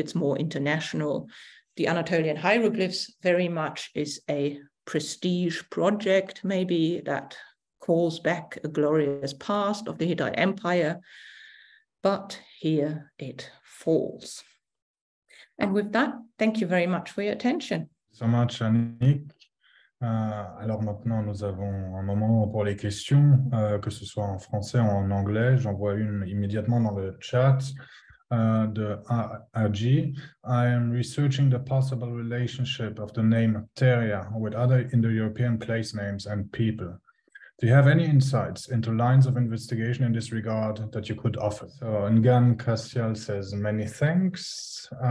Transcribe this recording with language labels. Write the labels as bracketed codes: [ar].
[en] It's more international. The Anatolian hieroglyphs very much is a prestige project, maybe, that calls back a glorious past of the Hittite Empire, but here it falls. And with that, thank you very much for your attention. So much, Annick. [fr] Alors maintenant, nous avons un moment pour les questions, que ce soit en français ou en anglais. J'en vois une immédiatement dans le chat. [en] I am researching the possible relationship of the name Teria with other Indo-European place names and people. Do you have any insights into lines of investigation in this regard that you could offer? So Ngan Kassial says many thanks.